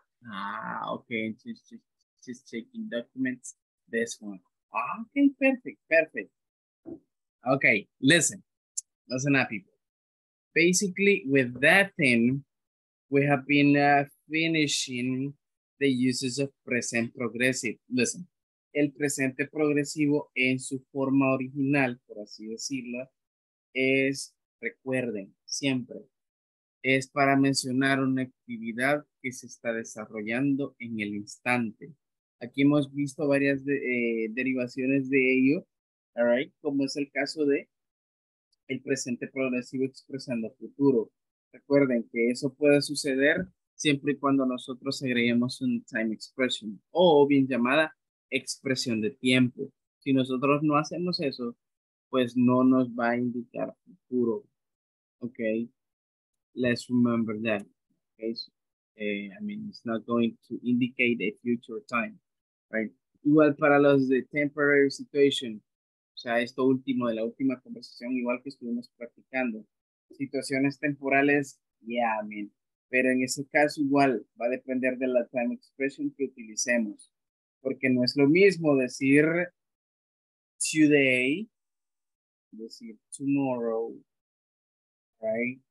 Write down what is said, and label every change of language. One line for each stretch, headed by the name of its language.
English: Ah, okay, she's checking documents this one. Okay, perfect, perfect. Okay, listen, listen up, people. Basically, with that thing, we have been finishing the uses of present progressive.
Spanish: Listen, el presente progresivo en su forma original, por así decirlo, es, recuerden, siempre, es para mencionar una actividad que se está desarrollando en el instante. Aquí hemos visto varias derivaciones de ello, all right? Como es el caso de el presente progresivo expresando futuro. Recuerden que eso puede suceder siempre y cuando nosotros agreguemos un time expression o bien llamada expresión de tiempo. Si nosotros no hacemos eso, pues no nos va a indicar futuro, ¿ok?
English: Let's remember that. Okay, so, I mean, it's not going to indicate a future time, right?
Spanish: Igual para los de temporary situation, o sea, esto último de la última conversación, igual que estuvimos practicando. Situaciones temporales, yeah, I mean, pero en ese caso igual va a depender de la time expression que utilicemos. Porque no es lo mismo decir today, decir tomorrow, right?